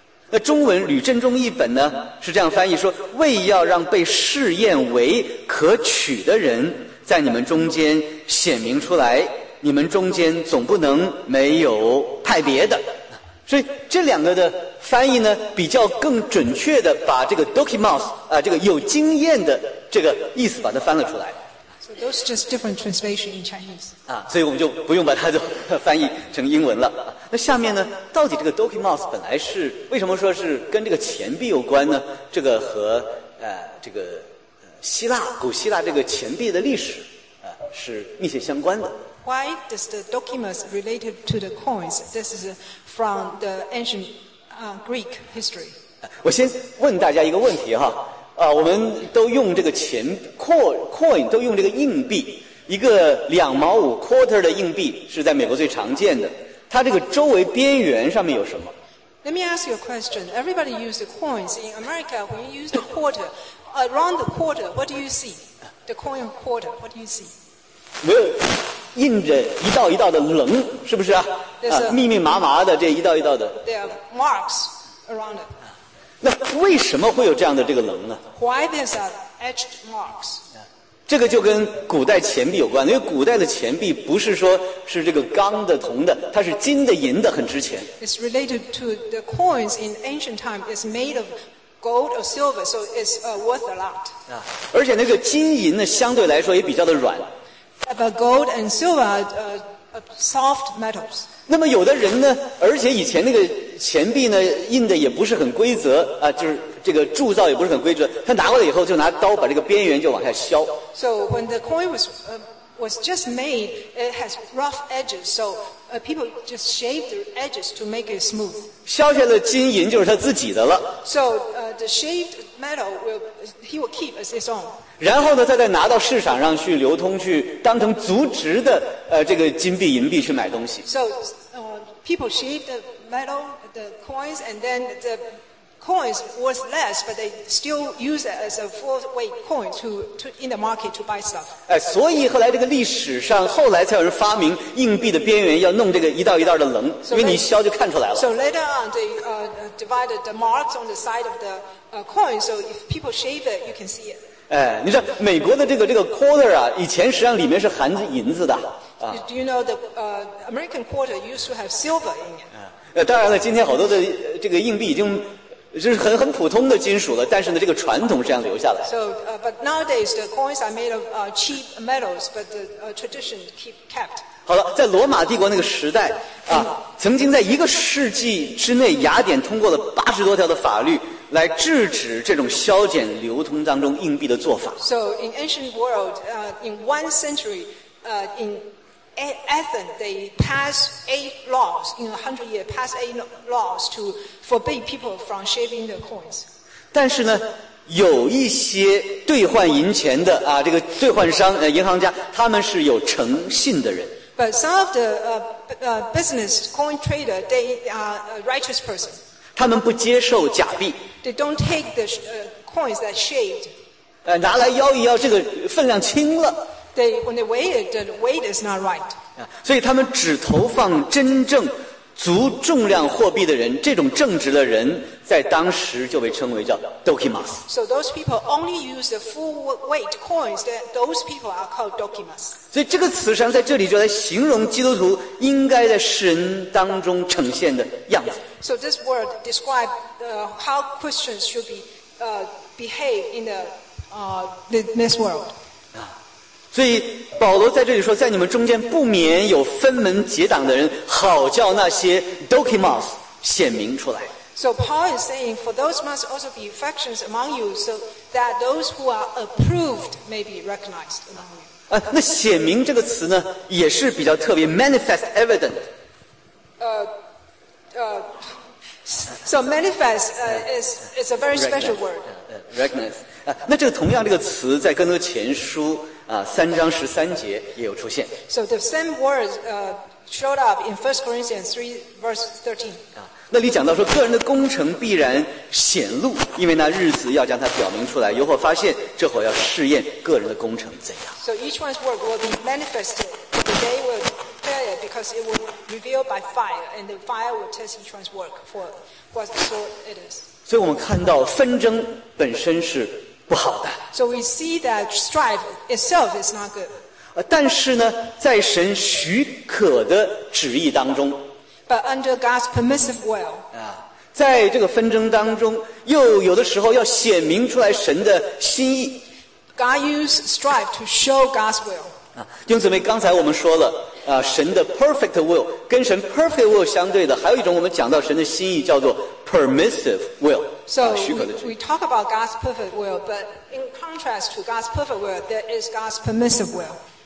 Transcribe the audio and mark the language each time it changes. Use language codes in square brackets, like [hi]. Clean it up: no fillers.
[zh] 那中文吕振中译本呢是这样翻译，说为要让被试验为可取的人在你们中间显明出来，你们中间总不能没有派别的。所以这两个的翻译呢比较更准确的把这个 dokimos 啊，这个有经验的这个意思把它翻了出来。 [en] So those are just different translation in Chinese. [zh] 啊，所以我们就不用把它就翻译成英文了。那下面呢，到底这个 dokimos 本来是为什么说是跟这个钱币有关呢？这个和这个希腊古希腊这个钱币的历史是密切相关的。 [en] Why does the dokimos related to the coins? This is from the ancient Greek history. [zh] 我先问大家一个问题哈，啊，我们都用这个钱 coin 都用这个硬币，一个两毛五 quarter 的硬币是在美国最常见的。它这个周围边缘上面有什么 [en] ？Let me ask you a question. Everybody uses coins in America. When you use the quarter, around the quarter, what do you see? The coin quarter, what do you see? [zh] 没有，印着一道一道的棱，是不是啊？啊，密密麻麻的这一道一道的。 [en] There are marks around it. [zh] 那为什么会有这样的这个棱呢 [en] ？Why these are etched marks? [zh] 这个就跟古代钱币有关，因为古代的钱币不是说是这个钢的、铜的，它是金的、银的，很值钱。 [en] It's related to the coins in ancient time. It's made of gold or silver, so it's worth a lot. 啊， [zh] 而且那个金银呢，相对来说也比较的软。 [en] But gold and silver are soft metals. [zh] 那么有的人呢，而且以前那个钱币呢，印的也不是很规则啊，就是。这个铸造也不是很规则，他拿过来以后就拿刀把这个边缘就往下削。 [en] So when the coin was just made, it has rough edges, so people just shaved the edges to make it smooth. [zh] 削下的金银就是他自己的了。 [en] So the shaved metal he will keep as his own. [zh] 然后呢，他再拿到市场上去流通，去当成足值的这个金币银币去买东西。 [en] So people shaved the metal, the coins, and then the coins worth less, but they still use it as a full weight coin to in the market to buy stuff. [zh] 哎，所以后来这个历史上，后来才有人发明硬币的边缘要弄这个一道一道的棱，因为你一削就看出来了。 [en] So later on, they divided the marks on the side of the coin, so if people shave it, you can see it. [zh] 哎，你知道美国的这个 quarter 啊，以前实际上里面是含银子的。 [en] Do you know the American quarter used to have silver in it? [zh] 当然了，今天好多的这个硬币已经就是很普通的金属了，但是呢，这个传统是这样留下来。 [en] So, but nowadays the coins are made of cheap metals, but the tradition keep kept. [zh] 好了，在罗马帝国那个时代啊，曾经在一个世纪之内，雅典通过了80多条的法律来制止这种削减流通当中硬币的做法。 [en] So in ancient world, in one century, in Athens, they passed eight laws to forbid people from shaving their coins. [zh] 但是呢，有一些兑换银钱的啊，这个兑换商银行家，他们是有诚信的人。 [en] But some of the business coin trader, they are a righteous person. [zh] 他们不接受假币。 [en] They don't take the coins that shaved. [zh] 拿来摇一摇，这个分量轻了。 [en] When they weigh it, the weight is not right. [zh] 所以他们只投放真正足重量货币的人，这种正直的人在当时就被称为叫 dokimas. [en] So those people only use the full weight coins. Those people are called dokimas. [zh] 所以这个词实际上在这里就来形容基督徒应该在世人当中呈现的样子。 [en] So this word describes how Christians should be behave in the this world. [zh] 所以保罗在这里说，在你们中间不免有分门结党的人，好叫那些 dokimas 显明出来。 [en] So Paul is saying, for those must also be factions among you, so that those who are approved may be recognized among you. [zh] 那显明这个词呢，也是比较特别 ， [en] manifest evident. So manifest is a very special word. Recognize. [zh] 那这个同样这个词在更多前书。三章十三节也有出现。 [en] So the same word showed up in 1 Corinthians 3 verse 13. [zh] 那里讲到说，个人的工程必然显露，因为那日子要将它表明出来，有火发现，这火要试验个人的工程怎样。 [en] So each one's work will be manifested. The day will declare it because it will reveal by fire, and the fire will test each one's work for what sort it is. [zh] 所以我们看到纷争本身是。不好的。 [en] So we see that strife itself is not good. [zh] 但是呢，在神许可的旨意当中。 [en] But under God's permissive will. [zh] 在这个纷争当中，又有的时候要显明出来神的心意。 [en] God used strife to show God's will. [zh] 弟兄姊妹，刚才我们说了，神的 [en] perfect will [zh] 跟神 [en] perfect will [zh] 相对的，还有一种我们讲到神的心意叫做 [en] permissive will。 So we talk about God's perfect will, but in contrast to God's perfect will, there is God's permissive will.